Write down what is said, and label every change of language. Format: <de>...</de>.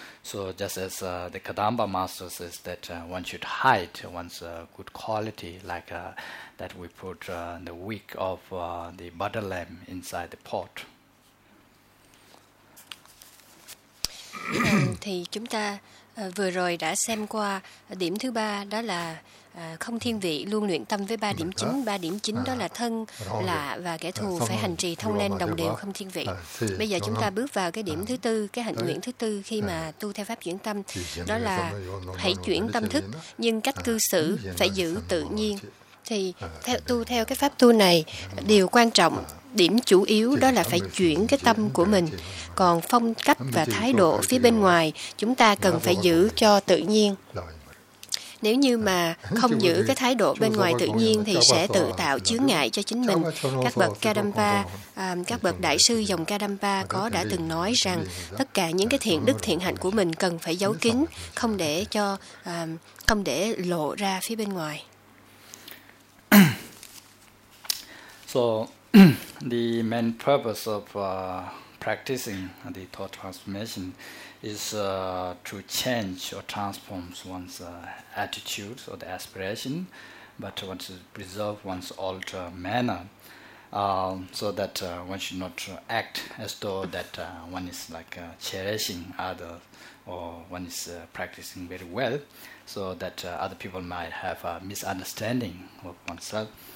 <en>So just as the Kadamba master says that one should hide one's good quality, like that we put the wick of the butter lamp inside the pot.</en> <vi>Thì chúng ta vừa rồi đã xem qua điểm thứ ba, đó là không thiên vị, luôn luyện tâm với ba điểm chính. Ba điểm chính đó là thân, lạ và kẻ thù, phải hành trì thông lên đồng đều không thiên vị. Bây giờ chúng ta bước vào cái điểm thứ tư, cái hạnh nguyện thứ tư khi mà tu theo pháp chuyển tâm, đó là hãy chuyển tâm thức nhưng cách cư xử phải giữ tự nhiên. Thì theo tu theo cái pháp tu này, điều quan trọng, điểm chủ yếu đó là phải chuyển cái tâm của mình. Còn phong cách và thái độ phía bên ngoài, chúng ta cần phải giữ cho tự nhiên. Nếu như mà không giữ cái thái độ bên ngoài tự nhiên thì sẽ tự tạo chướng ngại cho chính mình. Các bậc Kadampa, các bậc đại sư dòng Kadampa có đã từng nói rằng tất cả những cái thiện đức thiện hạnh của mình cần phải giấu kín, không để cho không để lộ ra phía bên ngoài.</vi> <en>So the main purpose of practicing the thought transformation is to change or transform one's attitude or the aspiration, but one should preserve one's old manner so that one should not act as though that one is like cherishing others or one is practicing very well, so that other people might have a misunderstanding of oneself.</en>